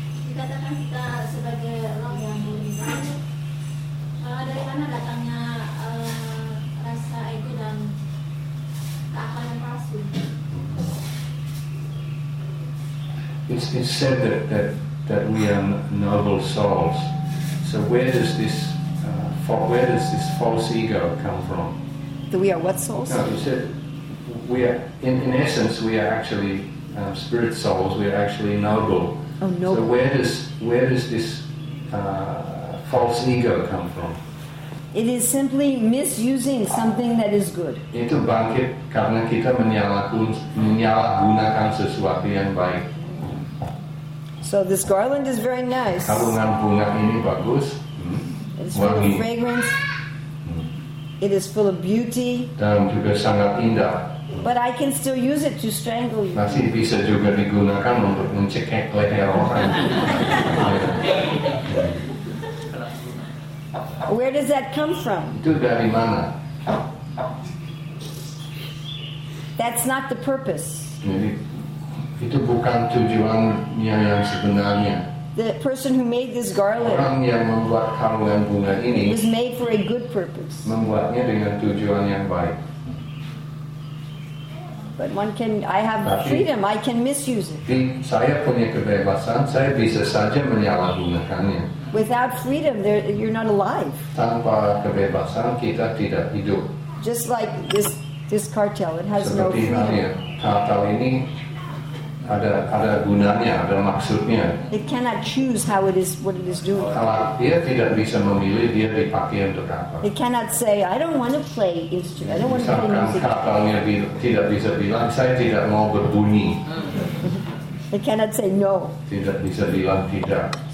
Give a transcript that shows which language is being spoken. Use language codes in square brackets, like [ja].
[id] Dikatakan kita sebagai orang yang beriman, dari mana datangnya rasa ego dan keakalan yang palsu? [en] It's said that we are noble souls. So where does this where does this false ego come from? That we are what souls? No, you said we are in essence we are actually spirit souls. We are actually noble. Oh, noble. So where does this false ego come from? It is simply misusing something that is good. [id] Itu bangkit karena kita menyalahgunakan sesuatu yang baik. [en] So this garland is very nice. [id] Kalungan bunga ini bagus. [en] It's full of fragrance. It is full of beauty. [id] Dan juga sangat indah. [en] But I can still use it to strangle you. [id] Masih bisa juga digunakan untuk mencekik leher orang. [en] Where does that come from? [id] Itu dari mana? [en] That's not the purpose. [id] Itu bukan tujuannya yang sebenarnya. [en] The person who made this garland, [id] orang yang membuat kalungan bunga ini, [en] was made for a good purpose. [id] Membuatnya dengan tujuan yang baik. [en] But one can, I have [id] tapi, [en] freedom, I can misuse it. [id] Saya punya kebebasan, saya bisa saja menyalahgunakannya. [en] Without freedom, you're not alive. [id] Tanpa kebebasan, kita tidak hidup. [en] Just like this cartel, it has [id] seperti [en] no freedom. [id] Kartel ini ada gunanya, ada maksudnya. [en] It cannot choose how it is, what it is doing. [id] Kalau dia tidak bisa memilih, dia dipakai untuk apa? [en] It cannot say, I don't want to play instrument. I don't want to play music. [id] Kapalnya tidak bisa bilang, saya tidak mau berbunyi. [en] It cannot say no. [id] Tidak bisa bilang tidak.